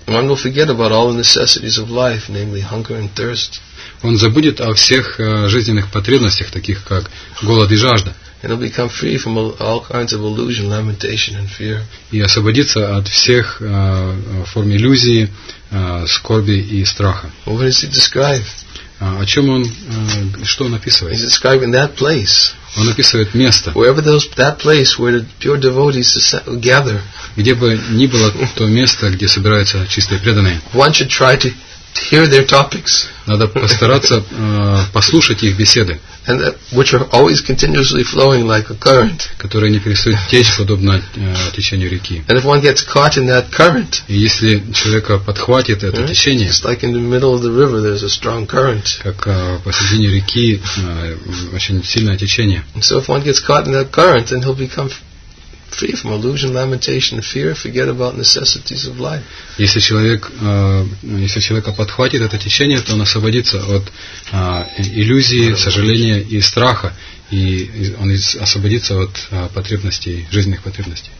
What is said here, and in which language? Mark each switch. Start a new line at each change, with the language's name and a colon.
English: One will forget about all the necessities of life, namely hunger and thirst.
Russian: Он забудет о всех жизненных потребностях, таких как голод и жажда.
English: And will become free from all kinds of illusion, lamentation and fear.
Russian: И освободиться от всех форм иллюзии, скорби и страха.
English: What does he describe?
Russian: О чем он, что он описывает?
English: He's describing that place.
Russian: Он описывает место.
English: Wherever that place where the pure devotees gather.
Russian: Где бы ни было то место, где собираются чистые преданные.
English: One should try to hear their topics.
Russian: Надо постараться послушать их беседы.
English: And which are always continuously flowing like a current.
Russian: Которые не перестают течь подобно течению реки.
English: And if one gets caught in that current.
Russian: И если человека подхватит это течение.
English: It's like in the middle of the river there's a strong current.
Russian: Как посередине реки очень сильное течение.
English: And so if one gets caught in that current, then he'll become free from illusion, lamentation, and fear, forget about necessities of life.
Russian: Если человека подхватит это течение, то он освободится от иллюзии, сожаления и страха, и он освободится от потребностей, жизненных потребностей.